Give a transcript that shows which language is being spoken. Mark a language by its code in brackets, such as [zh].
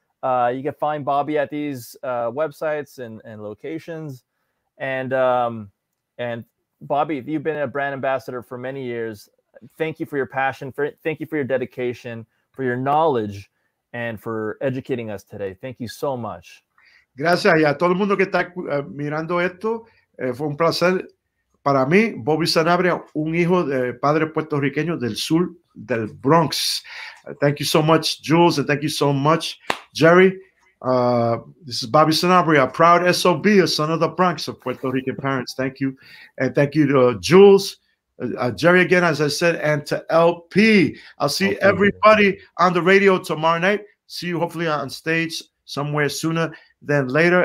[en] You can find Bobby at these websites and locations. And Bobby, you've been a brand ambassador for many years. Thank you for your passion, thank you for your dedication, for your knowledge, and for educating us today. Thank you so much. [es] Gracias. Y a todo el mundo que está mirando esto, fue un placer para mí, Bobby Sanabria, un hijo de padre puertorriqueño del sur del Bronx. [en] Thank you so much, Jules, and thank you so much, Jerry. This is Bobby Sanabria, a proud SOB, a son of the Bronx, of Puerto Rican parents. Thank you. And thank you to Jules. Jerry, again, as I said, and to LP. I'll see everybody on the radio tomorrow night. See you hopefully on stage somewhere sooner than later.